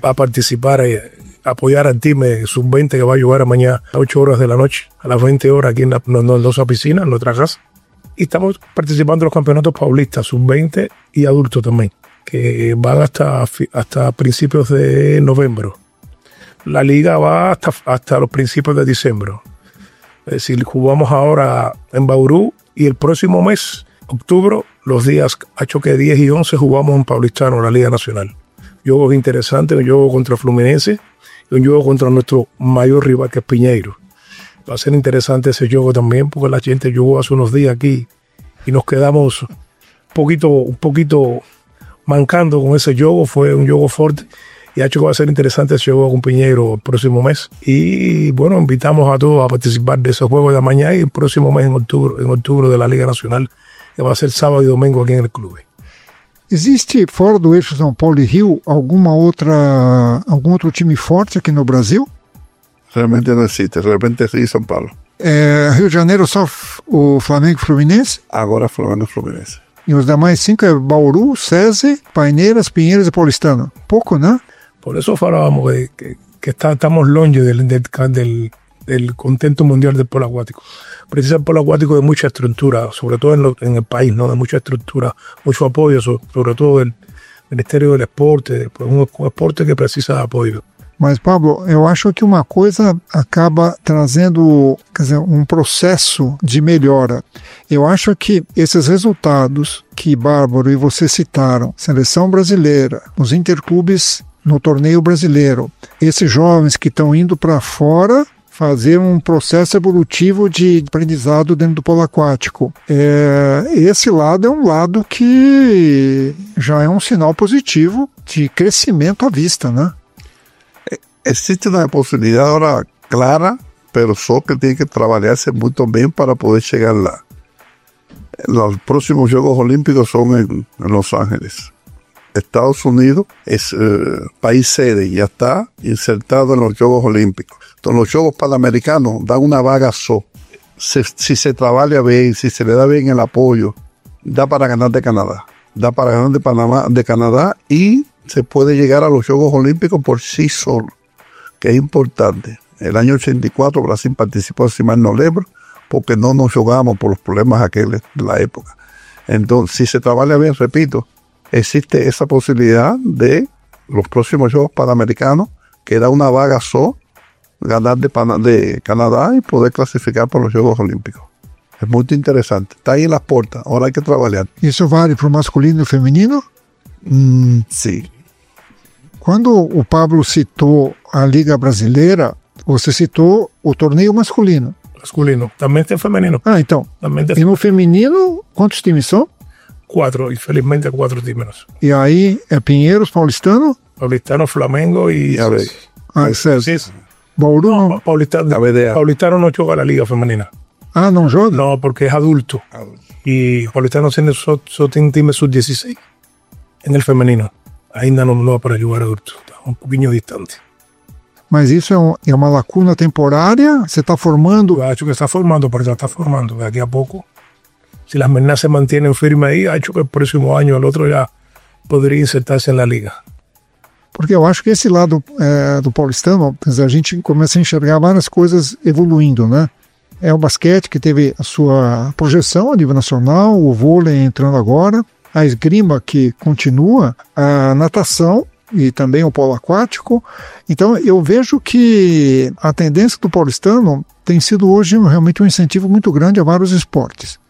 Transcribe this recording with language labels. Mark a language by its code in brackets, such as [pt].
[pt] A participar e apoiar o time sub-20 que vai jogar amanhã às 8 horas da noite, às 20 horas aqui na nossa piscina, na nossa casa. E estamos participando nos campeonatos paulistas, sub-20 e adulto também, que vão até princípios de novembro. [es] La liga va hasta los principios de diciembre. Es decir, jugamos ahora en Bauru y el próximo mes, octubre, los días 10 y 11, jugamos en Paulistano, la Liga Nacional. Juego interesante, un juego contra Fluminense y un juego contra nuestro mayor rival, que es Piñeiro. Va a ser interesante ese juego también, porque la gente jugó hace unos días aquí y nos quedamos un poquito mancando con ese juego. Fue un juego fuerte. Y ha hecho que va a ser interesante ese juego con Piñeiro el próximo mes. Y bueno, invitamos a todos a participar de esos juegos de mañana y el próximo mes en octubre de la Liga Nacional, que va a ser sábado y domingo aquí en el club. ¿Existe fuera del eixo São Paulo y Rio algún otro time forte aquí no Brasil? Realmente no existe, realmente sí, São Paulo. [pt] Rio de Janeiro, só o Flamengo e Fluminense? Agora Flamengo e Fluminense. E os demais cinco é Bauru, SESI, Paineiras, Pinheiros e Paulistano. Pouco, né? [es] Por eso hablábamos de que estamos longe del contento mundial del polo acuático. Precisa el polo acuático de mucha estructura, sobre todo en el país, ¿no? De mucha estructura, mucho apoyo, sobre todo del Ministerio del Esporte, un esporte que precisa de apoyo. [pt] Mas, Pablo, eu acho que uma coisa acaba trazendo, quer dizer, um processo de melhora. Eu acho que esses resultados que Bárbaro e você citaram, seleção brasileira, os interclubes no torneio brasileiro, esses jovens que estão indo para fora fazer um processo evolutivo de aprendizado dentro do polo aquático. Esse lado é um lado que já é um sinal positivo de crescimento à vista, né? Existe uma possibilidade agora clara, mas só que tem que trabalhar-se muito bem para poder chegar lá. Os próximos Jogos Olímpicos são em Los Angeles. [es] Estados Unidos es país sede, ya está insertado en los Juegos Olímpicos. Entonces, los Juegos Panamericanos dan una vaga si se trabaja bien, si se le da bien el apoyo, da para ganar de Canadá. Da para ganar de Panamá, de Canadá, y se puede llegar a los Juegos Olímpicos por sí solo, que es importante. El año 84 Brasil participó, si mal no lembro, porque no nos jugamos por los problemas aquellos de la época. Entonces, si se trabaja bien, repito, existe esa posibilidad de los próximos Juegos Panamericanos, que da una vaga ganar de Canadá y poder clasificar para los Juegos Olímpicos. Es muy interesante. Está ahí en las puertas. Ahora hay que trabajar. ¿Y eso vale para masculino y femenino? Sí. Cuando o Pablo citó a Liga Brasileira, usted citó o torneo masculino. Masculino. También está femenino. Ah, entonces. También está. ¿Y no femenino, cuántos times son? [pt] 4, infelizmente 4 times. E aí, é Pinheiros, Paulistano? Paulistano, Flamengo e... Ah, certo. Bauru? Não, Paulistano, Paulistano não joga na Liga Feminina. Ah, não joga? Não, porque é adulto. E Paulistano só tem time sub-16 em el feminino. Ainda não dá para jogar adulto. Está um pouquinho distante. Mas isso é uma lacuna temporária? Você está formando? Eu acho que está formando, porque já está formando. Daqui a pouco... [es] Si las meninas se mantienen firmes ahí, ha hecho que el próximo año el otro ya podría insertarse en la liga. [pt] Porque yo acho que ese lado do Paulistano, a gente começa a enxergar várias coisas evoluindo, né? É o basquete que teve a sua projeção a nível nacional, o vôlei entrando agora, a esgrima que continua, a natação, e também o polo aquático. Então, eu vejo que a tendência do paulistano tem sido hoje realmente um incentivo muito grande a vários esportes.